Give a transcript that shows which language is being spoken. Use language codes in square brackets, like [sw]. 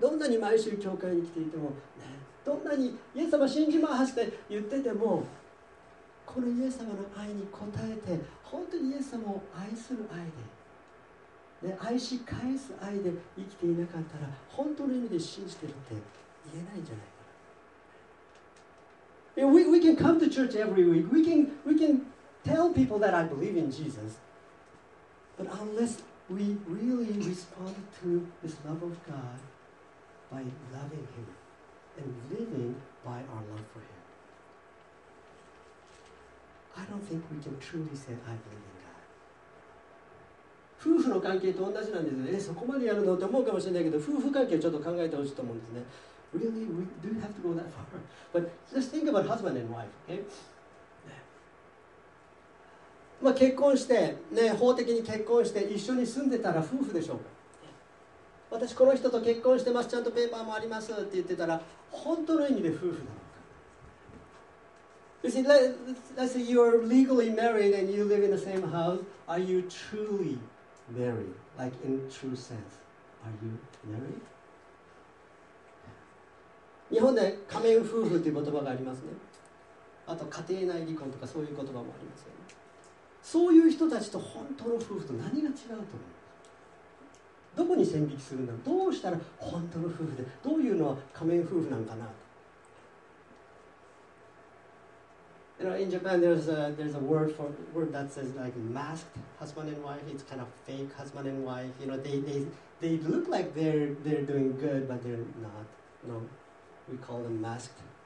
[ja] どんなに毎週教会に来ていても、ね、どんなにイエス様信じますって言ってても、このイエス様の愛に応えて、本当にイエス様を愛する愛で、ね、愛し返す愛で生きていなかったら、本当の意味で信じてるって言えないんじゃないかな。 [en] You know, we can come to church every week. We can tell people that I believe in Jesus. But unless we really respond to this love of God by loving Him and living by our love for Him, I don't think we can truly say I believe in God. [ja] 夫婦の関係と同じなんですね。そこまでやるのって思うかもしれないけど、夫婦関係をちょっと考えてほしいと思うんですね。 [en] Really? We do have to go that far. But just think about husband and wife, okay? [ja] まあ結婚して、ね、法的に結婚して一緒に住んでたら夫婦でしょうか。私この人と結婚してます、ちゃんとペーパーもありますって言ってたら、本当の意味で夫婦なのか。 [en] You see, let's say you're legally married and you live in the same house. Are you truly married? Like in true sense, are you married? [ja] 日本で仮面夫婦という言葉がありますね。あと家庭内離婚とかそういう言葉もありますよね。そういう人たちと本当の夫婦と何が違うと思う？どこに線引きするんだろう？どうしたら本当の夫婦で、どういうのは仮面夫婦なんかな？ [en] You know, in Japan, there's a word that says like masked husband and wife. It's kind of fake husband and wife. You know, they look like they're doing good, but they're not. No, we call them masked.